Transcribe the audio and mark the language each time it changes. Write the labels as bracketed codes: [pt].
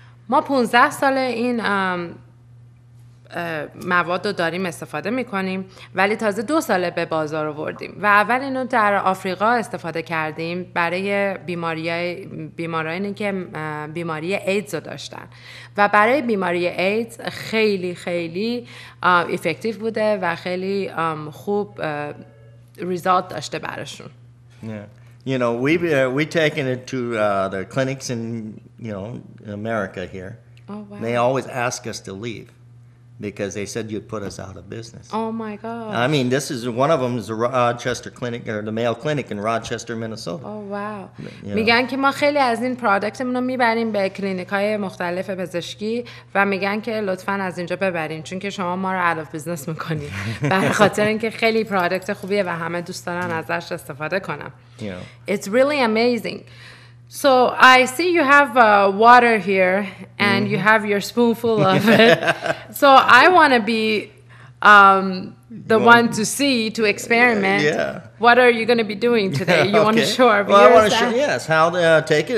[fa] ما 15 ساله این مواد رو داریم استفاده میکنیم ولی تازه 2 ساله به بازار رو وردیم و اول اینو در آفریقا استفاده کردیم برای بیمارانی که بیماری ایدز رو داشتن و برای بیماری ایدز خیلی خیلی افکتیف بوده و خیلی خوب ریزالت داشته براشون. [en] You know, we've taken it to the clinics in, you know, in America here. Oh, wow. They always ask us to leave because they said you'd put us out of business. Oh, my God. I mean, this is one of them is the Rochester Clinic or the Mayo Clinic in Rochester, Minnesota. Oh, wow. [fa] میگن که ما خیلی از این پرادکتمون رو میبریم به کلینیک های مختلف پزشکی و میگن که لطفاً از اینجا ببرین چون که شما ما رو [en] out of business [fa] میکنید برای خاطر اینکه خیلی پرادکت خوبیه و همه دوست دارن ازش استفاده کنن. [en] Yeah. It's really amazing. So I see you have water here and mm-hmm. you have your spoonful of it. So I want to be the well, one to see, to experiment. Yeah. What are you going to be doing today? You okay. want to show our viewers? Well, I want to show, yes, how to take it.